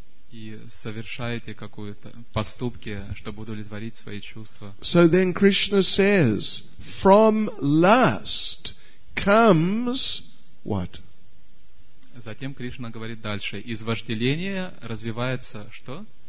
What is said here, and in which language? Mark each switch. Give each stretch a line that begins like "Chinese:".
Russian: И совершаете какую-то поступки, чтобы удовлетворить свои чувства.
English: So then Krishna says, from lust comes what?
Russian: Затем Кришна говорит дальше, из вожделения развивается что?